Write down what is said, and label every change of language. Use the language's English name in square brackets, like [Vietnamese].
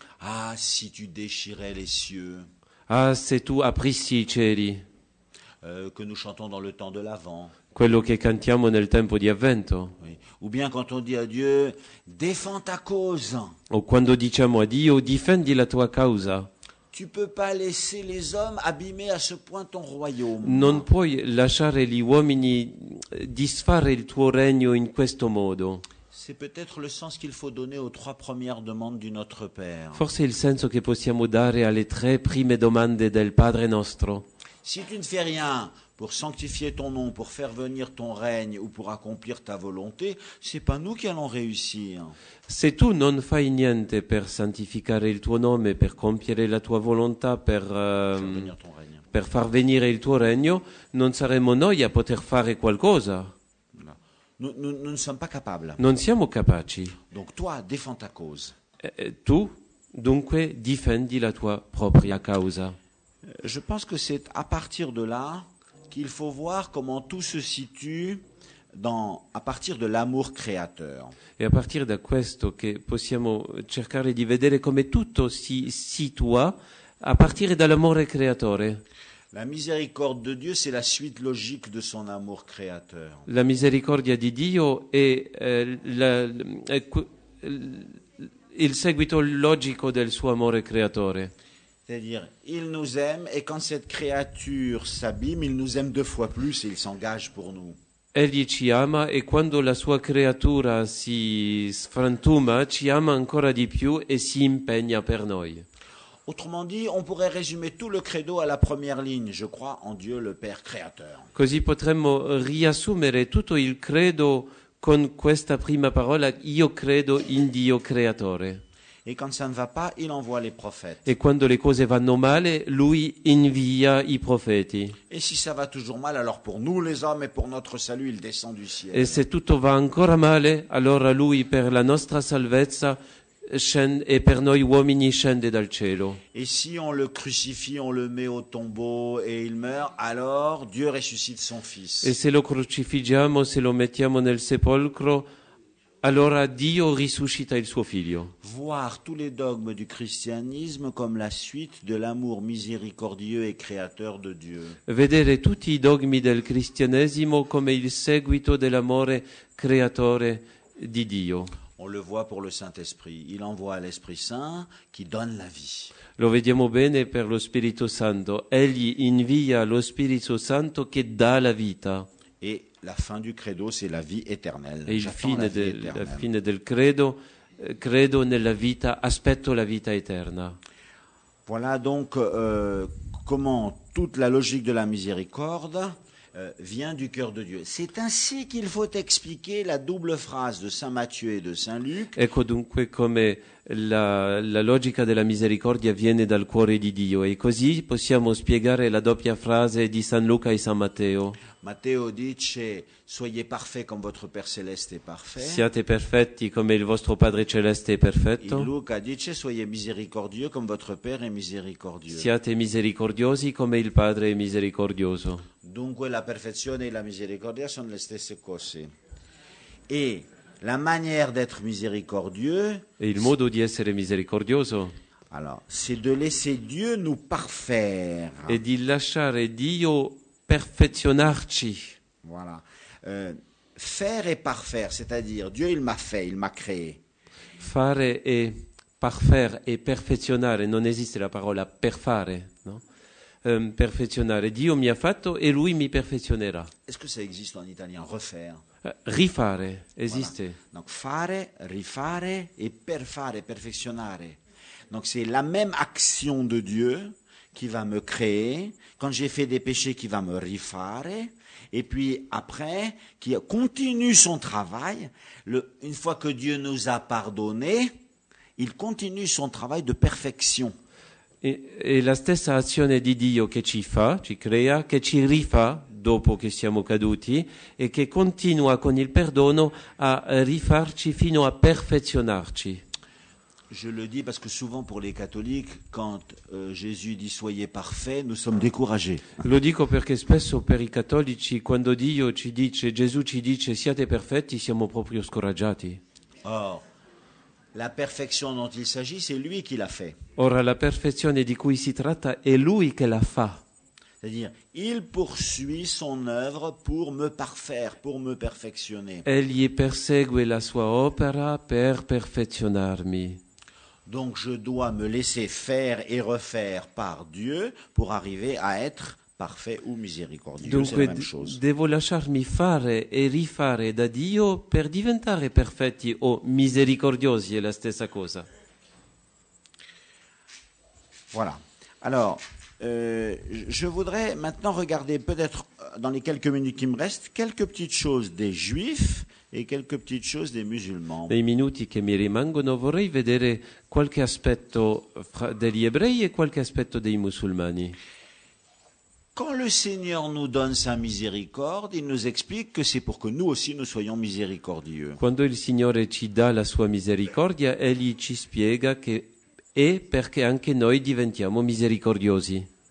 [French] Ah, si tu déchirais les cieux. [Italian] Ah, se tu aprissi i cieli. [French] Que nous chantons dans le temps de l'Avent. [Italian] Quello che cantiamo nel tempo di Avvento. [French] Oui. Ou bien quand on dit à Dieu, défends ta cause. [Italian] O quando diciamo a Dio, difendi la tua causa. [French] Tu peux pas laisser les hommes abîmer à ce point ton royaume. [Italian] Non puoi lasciare gli uomini disfare il tuo regno in questo modo. [French] C'est peut-être le sens qu'il faut donner aux trois premières demandes du Notre Père. [Italian] Forse il senso che possiamo dare alle tre prime domande del Padre nostro. [French] Si tu ne fais rien pour sanctifier ton nom, pour faire venir ton règne ou pour accomplir ta volonté, c'est pas nous qui allons réussir. [Italian] Se tu non fai niente per santificare il tuo nome, per compiere la tua volontà, per far venire il tuo regno, non saremo noi a poter fare qualcosa. [French] Nous ne sommes pas capables. [Italian] Non siamo capaci. [French] Donc toi, défends ta cause. [Italian] Tu, dunque, difendi la tua propria causa. [French] Je pense que c'est à partir de là qu'il faut voir comment tout se situe à partir de l'amour créateur. Et à partir [Italian] de questo che possiamo cercare di vedere come tutto si situa a partire dall'amore creatore. [French] La miséricorde de Dieu, c'est la suite logique de son amour créateur. [Italian] La misericordia di Dio è il seguito logico del suo amore creatore. [French] C'est-à-dire, il nous aime et quand cette créature s'abîme, il nous aime deux fois plus et il s'engage pour nous. [Italian] Egli ci ama e quando la sua creatura si sfrantuma, ci ama ancora di più e si impegna per noi. [French] Autrement dit, on pourrait résumer tout le credo à la première ligne, je crois en Dieu le Père créateur. [Italian] Così potremmo riassumere tutto il credo con questa prima parola, io credo in Dio creatore. [French] Et quand ça ne va pas, il envoie les prophètes. [Italian] E quando le cose vanno male, lui invia i profeti. [French] Et si ça va toujours mal, alors pour nous les hommes et pour notre salut, il descend du ciel. [Italian] E se tutto va ancora male, allora lui per la nostra salvezza scende e per noi uomini scende dal cielo. [French] Et si on le crucifie, on le met au tombeau et il meurt, alors Dieu ressuscite son fils. [Italian] E se lo crucifiggiamo, se lo mettiamo nel sepolcro, allora Dio risuscita il suo figlio. [French] Voir tous les dogmes du christianisme comme la suite de l'amour miséricordieux et créateur de Dieu. [Italian] Vedere tutti i dogmi del cristianesimo come il seguito dell'amore creatore di Dio. [French] On le voit pour le Saint-Esprit. Il envoie l'Esprit Saint qui donne la vie. [Italian] Lo vediamo bene per lo Spirito Santo. Egli invia lo Spirito Santo che dà la vita. [French] Et la fin du credo, c'est la vie éternelle. [Italian] Et la fine del credo, credo nella vita, aspetto la vita eterna. [French] Voilà donc comment toute la logique de la miséricorde vient du cœur de Dieu. C'est ainsi qu'il faut expliquer la double phrase de Saint Matthieu et de Saint Luc. [Italian] Ecco dunque come la logica della misericordia viene dal cuore di Dio. E così possiamo spiegare la doppia frase di San Luca e San Matteo. Matteo dice, [French] soyez parfaits comme votre Père Céleste est parfait. [Italian] Siate perfetti come il vostro Padre Celeste è perfetto. E Luca dice, [French] soyez miséricordieux comme votre Père est miséricordieux. [Italian] Siate misericordiosi come il Padre è misericordioso. Dunque la perfezione e la misericordia sono le stesse cose. [French] E la manière d'être miséricordieux... [Italian] E il modo di essere misericordioso... [French] Alors, c'est de laisser Dieu nous parfaire. [Italian] E di lasciare Dio... perfezionarci. [French] Voilà. Faire et parfaire, c'est-à-dire Dieu il m'a fait, il m'a créé. [Italian] Fare e parfaire e perfezionare, non esiste la parola perfare, no? Perfezionare, Dio mi ha fatto e lui mi perfezionerà. [French] Est-ce que ça existe en italien, refaire? [Italian] Rifare, esiste. [French] Voilà. Donc [Italian] fare, rifare e perfare, perfezionare. [French] Donc c'est la même action de Dieu qui va me créer, quand j'ai fait des péchés, qui va me rifare, et puis après, qui continue son travail, une fois que Dieu nous a pardonnés, il continue son travail de perfection. [Italian] E la stessa azione di Dio che ci fa, ci crea, che ci rifà dopo che siamo caduti e che continua con il perdono a rifarci fino a perfezionarci. [French] Je le dis parce que souvent pour les catholiques, quand Jésus dit soyez parfaits, nous sommes découragés. [Italian] Lo dico perché spesso per i cattolici, quando Dio ci dice, Gesù ci dice siate perfetti, siamo proprio scoraggiati. [French] Or, la perfection dont il s'agit, c'est lui qui l'a fait. [Italian] Ora, la perfezione di cui si tratta è lui che la fa. [French] C'est-à-dire, il poursuit son œuvre pour me parfaire, pour me perfectionner. [Italian] Egli persegue la sua opera per perfezionarmi. [French] Donc je dois me laisser faire et refaire par Dieu pour arriver à être parfait ou miséricordieux. [Italian] Dunque, [French] c'est la même chose. [Italian] Devo lasciarmi fare e rifare da Dio per diventare perfetti o misericordiosi, è la stessa cosa. [French] Voilà. Alors, je voudrais maintenant regarder peut-être dans les quelques minutes qui me restent quelques petites choses des Juifs et quelques petites choses des musulmans. [Italian] Nei minuti che mi rimangono vorrei vedere qualche aspetto degli ebrei e qualche aspetto dei musulmani. [French] Quand le Seigneur nous donne sa miséricorde, il nous explique que c'est pour que nous aussi nous soyons miséricordieux. [Italian] Quando il Signore ci dà la sua misericordia, egli ci spiega che è perché anche noi diventiamo misericordiosi.